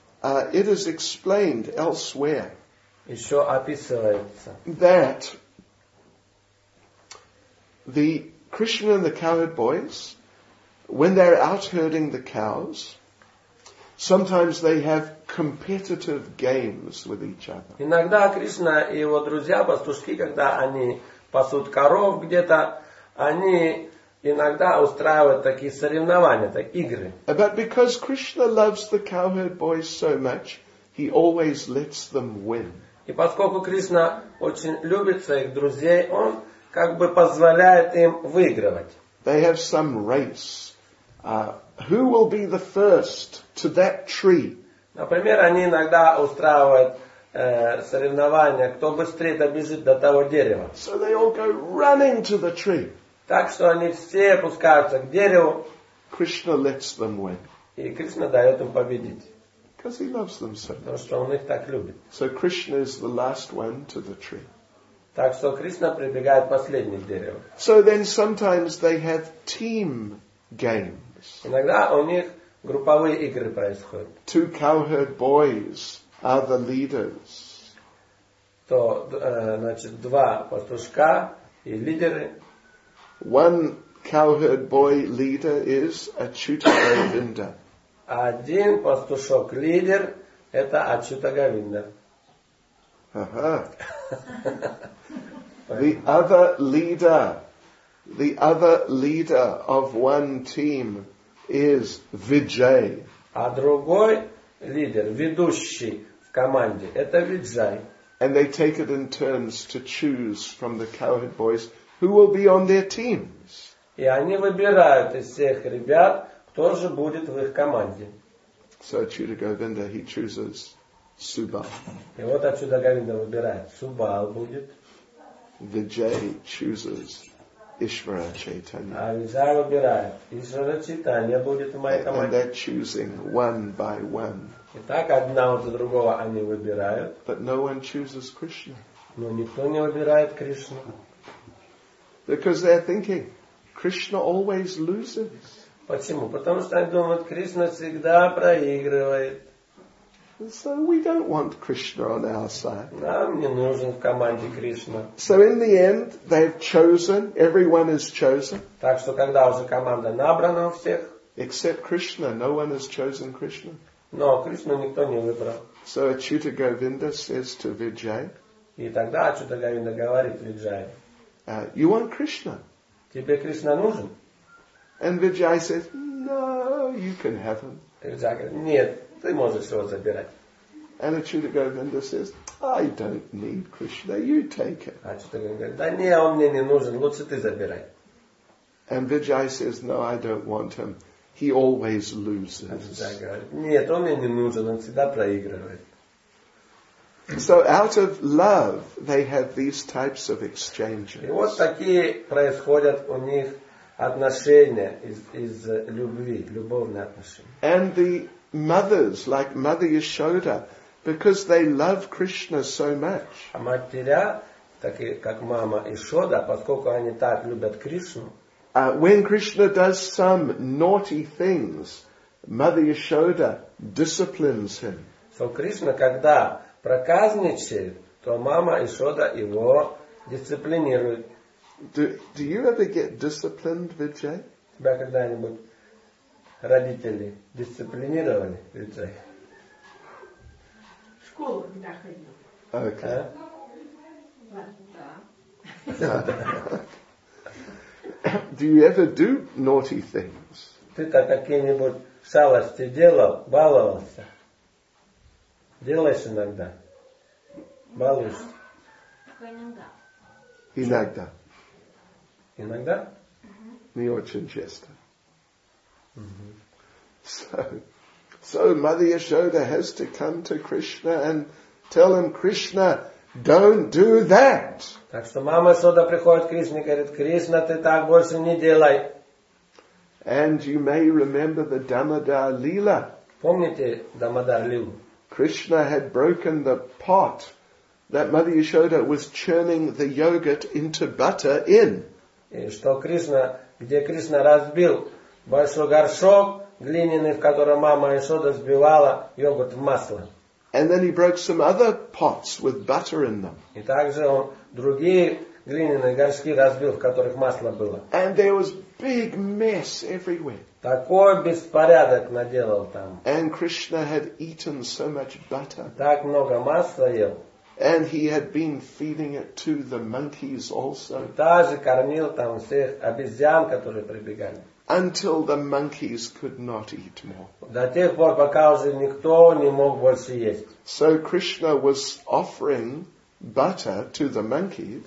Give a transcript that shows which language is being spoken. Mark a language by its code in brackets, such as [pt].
[en] It is explained elsewhere. [ru] Еще описывается. [en] That the Krishna and the cowherd boys, when they're out herding the cows, sometimes they have competitive games with each other. [ru] Иногда Кришна и его друзья пастушки, когда они пасут коров где-то, они иногда устраивают такие соревнования, так игры. [en] But because Krishna loves the cowherd boys so much, he always lets them win. [ru] И поскольку Кришна очень любит своих друзей, он как бы позволяет им выигрывать. [en] They have some race. Who will be the first to that tree? [ru] Например, они иногда устраивают соревнования, кто быстрее добежит до того дерева. [en] So they all go running to the tree. [ru] Так что они все пускаются к дереву. [en] Krishna lets them win. [ru] И Кришна дает им победить. [en] Because he loves them so much. [ru] Потому что он их так любит. [en] So Krishna is the last one to the tree. [ru] Так что Кришна прибегает последний к дереву. [en] So then sometimes they have team games. [ru] Иногда у них групповые игры происходят. [en] Two cowherd boys are the leaders. [ru] То, значит, два пастушка и лидеры. [en] One cowherd boy leader is Achyuta Govinda. [ru] Один пастушок лидер это Ачюта Говинда. Ага. [en] The other leader, the other leader of one team is Vijay. [ru] А другой лидер, ведущий в команде, это Vijay. [en] And they take it in turns to choose from the Cowherd boys who will be on their teams. [ru] И они выбирают из всех ребят, кто же будет в их команде. [en] So Chuda Govinda, he chooses Subal. [ru] И вот отсюда Говинда выбирает, Субал будет. [en] Vijay chooses Ishvara Chaitanya. [ru] А Vijay выбирает, Ishvara Chaitanya будет в моей команде. [en] And they're choosing one by one. [ru] И так одна от другого они выбирают. [en] But no one chooses Krishna. [ru] Но никто не выбирает Кришну. [en] Because they're thinking, Krishna always loses. [ru] Почему? Потому что они думают, Кришна всегда проигрывает. [en] So we don't want Krishna on our side. [ru] Нам не нужен в команде Кришна. [en] So in the end, they've chosen, everyone is chosen. [ru] Так что когда уже команда набрана у всех. [en] Except Krishna, no one has chosen Krishna. [ru] Но Кришну никто не выбрал. [en] So Achyuta Govinda says to Vijay. [ru] И тогда Achyuta Govinda говорит Vijay. [en] You want Krishna? [ru] Тебе Кришна нужен? [en] And Vijay says, no, you can have him. [ru] Vijay говорит, нет, ты можешь его забирать. [en] And Achyuta Govinda says, I don't need Krishna, you take him. [ru] Achyuta Govinda говорит, да не, он мне не нужен, лучше ты забирай. [en] And Vijay says, no, I don't want him. He always loses. [ru] Нет, он мне не нужен, он всегда проигрывает. [en] So out of love, they have these types of exchanges. [ru] И вот такие происходят у них отношения из любви, любовные отношения. [en] And the mothers, like Mother Yashoda, because they love Krishna so much. [ru] А матеря, такие как мама Ишода, поскольку они так любят Кришну. [en] When Krishna does some naughty things, Mother Yashoda disciplines him. [ru] So Krishna, когда проказничает, то мама Ишода его дисциплинирует. [en] Do you ever get disciplined, Vijay? [ru] Тебя когда-нибудь родители дисциплинировали, Vijay? В школу когда ходил. [en] Okay. Do you ever do naughty things? [ru] Ты-то какие-нибудь шалости делал, баловался? Делаешь иногда? Балуешься? Иногда. Иногда? Иногда? Не очень часто. [en] So Mother Yashoda has to come to Krishna and tell him, Krishna, don't do that. [ru] Так что мама Ишода приходит к Кришне и говорит, Кришна, ты так больше не делай. [en] And you may remember the Damodar Lila. [ru] Помните Дамодар Лилу? [en] Krishna had broken the pot that Mother Yashoda was churning the yogurt into butter in. [ru] И что Кришна, где Кришна разбил большой горшок глиняный, в котором мама Ишода взбивала йогурт в масло. [en] And then he broke some other pots with butter in them. [ru] И также он другие глиняные горшки разбил, в которых масло было. [en] And there was big mess everywhere. [ru] Такой беспорядок наделал там. [en] And Krishna had eaten so much butter. [ru] Так много масла ел. [en] And he had been feeding it to the monkeys also. [ru] И также кормил там всех обезьян, которые прибегали. [en] Until the monkeys could not eat more. [ru] До тех пор, пока уже никто не мог больше есть. [en] So Krishna was offering butter to the monkeys.